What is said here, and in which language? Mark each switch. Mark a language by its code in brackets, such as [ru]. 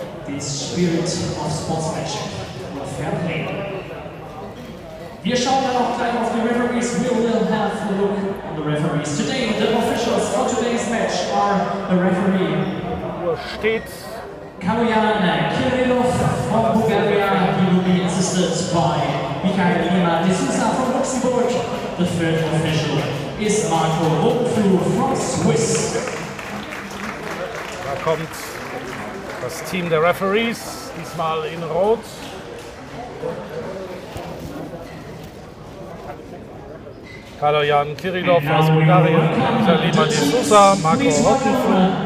[en] The spirit of sportsmanship will fair play. [de] Wir schauen dann auch gleich auf die Referees. [en] We will have a look on the referees. Today, the officials for today's match are the referee. [de] Wo steht? [en] Kaloyan Kirillov from Bulgaria. He will be assisted by Michael Lima de Sousa from Luxembourg. The third official is Marco Rumpfu from Swiss. [de] Kommt das Team der Referees, diesmal in Rot. Kaloyan Kirillov aus Bulgarien, Lima de Sousa, Marco Rottenfuhr,